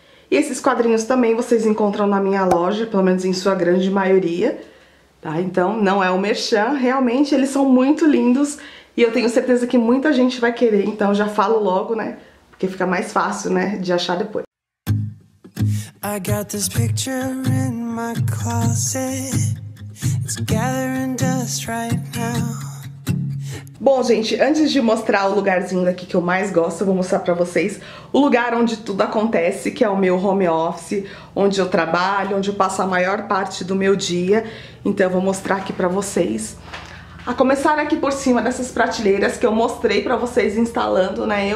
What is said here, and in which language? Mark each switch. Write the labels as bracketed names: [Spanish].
[Portuguese] E esses quadrinhos também vocês encontram na minha loja, pelo menos em sua grande maioria. Tá, então não é o merchan, realmente eles são muito lindos e eu tenho certeza que muita gente vai querer, então já falo logo, né? Porque fica mais fácil, né, de achar depois. [English] I got this picture in my closet. It's gathering dust right now. [Portuguese] Bom, gente, antes de mostrar o lugarzinho daqui que eu mais gosto, eu vou mostrar pra vocês o lugar onde tudo acontece, que é o meu home office, onde eu trabalho, onde eu passo a maior parte do meu dia. Então eu vou mostrar aqui pra vocês. A começar aqui por cima dessas prateleiras que eu mostrei pra vocês instalando, né?